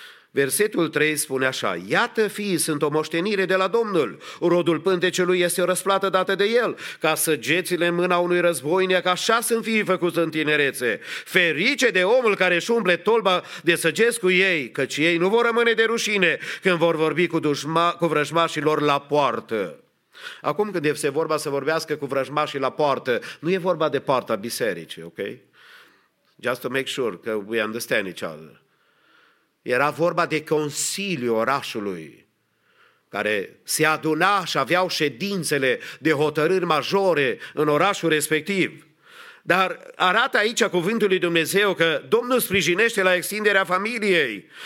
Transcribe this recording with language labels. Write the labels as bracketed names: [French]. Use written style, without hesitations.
[Romanian] Versetul 3 spune așa: iată, fiii sunt o moștenire de la Domnul, rodul pântecelui este o răsplată dată de el, ca săgețile în mâna unui războinic, așa sunt fiii făcuți în tinerețe. Ferice de omul care își umple tolba de săgeți cu ei, căci ei nu vor rămâne de rușine când vor vorbi cu vrăjmașii lor la poartă. Acum când este vorba să vorbească cu vrăjmașii la poartă, nu e vorba de poarta bisericii, ok? [English] Just to make sure că we understand each other. [Romanian] Era vorba de consiliu orașului, care se aduna și aveau ședințele de hotărâri majore în orașul respectiv. Dar arată aici cuvântul lui Dumnezeu că Domnul sprijinește la extinderea familiei.